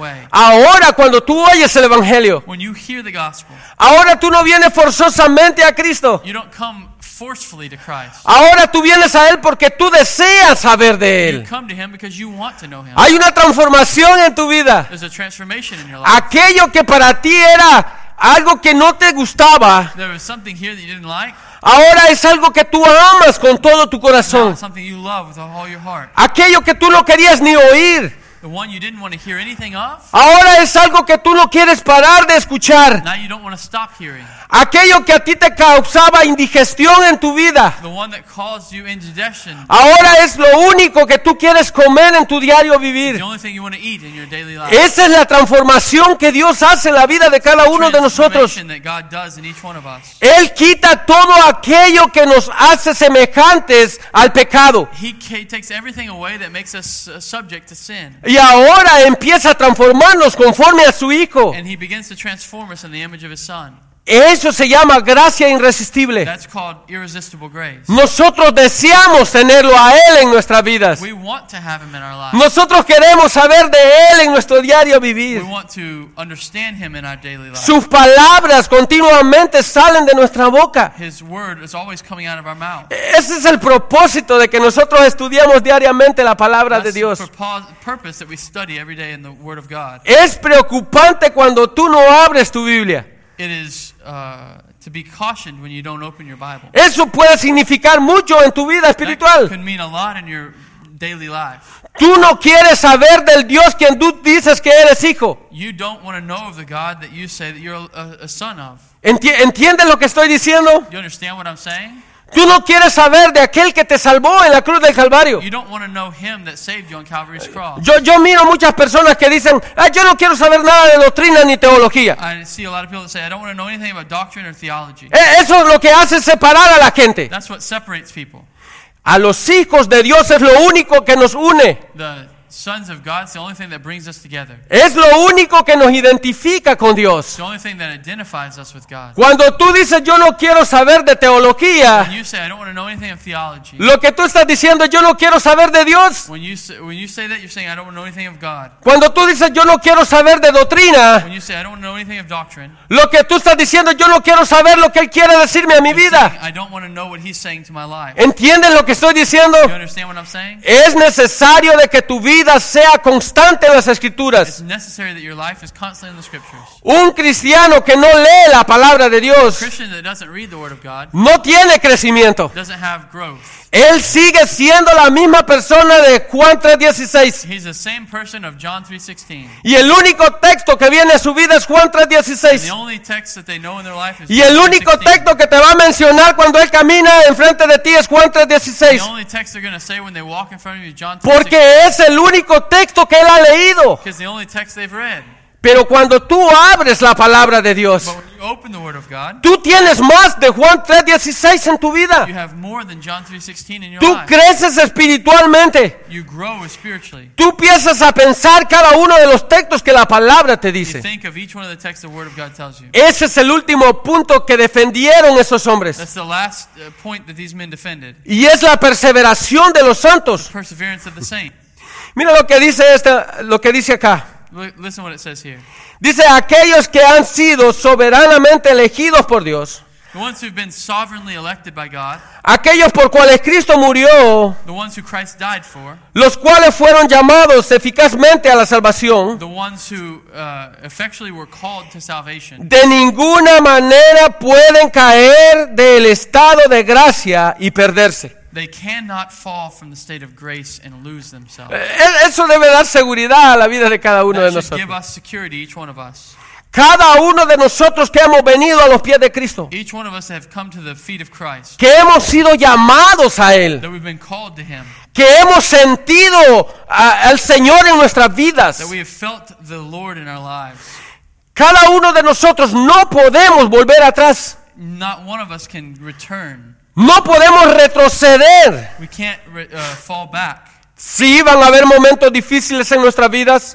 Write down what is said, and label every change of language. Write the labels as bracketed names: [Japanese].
[Spanish] Ahora cuando tú oyes el Evangelio, [English] when you hear the gospel, [Spanish] ahora tú no vienes forzosamente a Cristo. [English] You don't come forcefully to Christ. [Spanish] Ahora tú vienes a Él porque tú deseas saber de Él. [English] You come to him because you want to know him. [Spanish] Hay una transformación en tu vida. [English] There's a transformation in your life. [Spanish] Aquello que para ti era algo que no te gustaba, [English] there was something here that you didn't like. [Spanish] Ahora es algo que tú amas con todo tu corazón. [English] Now, something you love with all your heart. [Spanish] Aquello que tú no querías ni oír. [English] The one you didn't want to hear anything of. [Spanish] Ahora es algo que tú no quieres parar de escuchar. [English] Now you don't want to stop hearing. [Spanish] Aquello que a ti te causaba indigestión en tu vida. [English] The one that caused you indigestion. [Spanish] Ahora es lo único que tú quieres comer en tu diario vivir. [English] The only thing you want to eat in your daily life. [Spanish] Esa es la transformación que Dios hace en la vida de cada uno de nosotros. [English] That God does in each one of us. [Spanish] Él quita todo aquello que nos hace semejantes al pecado. [English] He takes everything away that makes us subject to sin. [Spanish] Y ahora empieza a transformarnos conforme a su Hijo. [English] And he begins to transform us in the image of his Son. [Spanish] Eso se llama gracia irresistible. [English] That's called irresistible grace. [Spanish] Nosotros deseamos tenerlo a Él en nuestras vidas. [English] We want to have him in our lives. [Spanish] Nosotros queremos saber de Él en nuestro diario vivir. [English] We want to understand him in our daily life. [Spanish] Sus palabras continuamente salen de nuestra boca. [English] His word is always coming out of our mouth. [Spanish] Ese es el propósito de que nosotros estudiemos diariamente la palabra [English] that's [Spanish] de Dios. [English] Purpose that we study every day in the word of God. [Spanish] Es preocupante cuando tú no abres tu Biblia. [English] It is to be cautioned when you don't open your Bible. [Spanish] Eso puede significar mucho en tu vida espiritual. [English] That can mean a lot in your daily life. [Spanish] Tú no quieres saber del Dios quien tú dices que eres hijo. [English] You don't want to know of the God that you say that you're a son of. [Spanish] ¿Entiendes lo que estoy diciendo? [English] You understand what I'm saying? [Spanish] Tú no quieres saber de aquel que te salvó en la cruz del Calvario. [English] You don't want to know him that saved you on Calvary's cross. [Spanish] Yo miro muchas personas que dicen, yo no quiero saber nada de doctrina ni teología. [English] I see a lot of people that say, I don't want to know anything about doctrine or theology. [Spanish] Eso es lo que hace separar a la gente. [English] That's what separates people. [Spanish] A los hijos de Dios es lo único que nos une. [English] The sons of God is the only thing that brings us together. [Spanish] Es lo único que nos identifica con Dios. [English] It's the only thing that identifies us with God. [Spanish] Cuando tú dices yo no quiero saber de teología, [English] when you say I don't want to know anything of theology, [Spanish] lo que tú estás diciendo yo no quiero saber de Dios. [English] When you say that, you're saying I don't want to know anything of God. [Spanish] Cuando tú dices yo no quiero saber de doctrina, [English] when you say I don't want to know anything of doctrine, [Spanish] lo que tú estás diciendo yo no quiero saber lo que él quiere decirme a mi vida. [English] I don't want to know what he's saying to my life. [Spanish] ¿Entiendes lo que estoy diciendo? [English] You understand what I'm saying? [Spanish] Es necesario de que tu vida sea constante en las Escrituras. [English] It's necessary that your life is constantly in the Scriptures. [Spanish] Un cristiano que no lee la palabra de Dios, [English] a Christian that doesn't read the Word of God, [Spanish] no tiene crecimiento. [English] Doesn't have growth. [Spanish] Él sigue siendo la misma persona de Juan 3:16. [English] He's the same person of John 3:16. [Spanish] Y el único texto que viene a su vida es Juan 3:16. [English] The only text that they know in their life is John [Spanish] 3:16. Y el único texto que te va a mencionar cuando él camina enfrente de ti es Juan 3:16. [English] The only text they're going to say when they walk in front of you is John 3:16. [Spanish] Porque es el único texto que él ha leído. [English] Because the only text they've read. [Spanish] Pero cuando tú abres la palabra de Dios, [English] God, [Spanish] tú tienes más de Juan 3:16 en tu vida. [English] You have more than John 3:16 in your [Spanish] tú [English] life. [Spanish] Creces espiritualmente. [English] You grow spiritually. [Spanish] Tú empiezas a pensar cada uno de los textos que la palabra te dice. [English] You think of each one of the texts the Word of God tells you. [Spanish] Ese es el último punto que defendieron esos hombres. [English] That's the last point that these men defended. [Spanish] Y es la perseveración de los santos. [English] The perseverance of the saints. [Spanish] Mira lo que dice lo que dice acá. [English] Listen what it says here. [Spanish] Dice aquellos que han sido soberanamente elegidos por Dios. [English] The ones who've been sovereignly elected by God. [Spanish] Aquellos por cuales Cristo murió. [English] The ones who Christ died for. [Spanish] Los cuales fueron llamados eficazmente a la salvación. [English] The ones who effectually were called to salvation. [Spanish] De ninguna manera pueden caer del estado de gracia y perderse. [English] They cannot fall from the state of grace and lose themselves. [Spanish] Eso debe dar seguridad a la vida de cada uno de nosotros. [English] Give us security, each one of us. [Spanish] Cada uno de nosotros que hemos venido a los pies de Cristo. [English] Each one of us have come to the feet of Christ. [Spanish] Que hemos sido llamados a Él. [English] That we've been called to Him. [Spanish] Que hemos sentido al Señor en nuestras vidas. [English] That we have felt the Lord in our lives. [Spanish] Cada uno de nosotros no podemos volver atrás. [English] Not one of us can return. [Spanish] No podemos retroceder. [English] We can't fall back. [Spanish] Sí, van a haber momentos difíciles en nuestras vidas.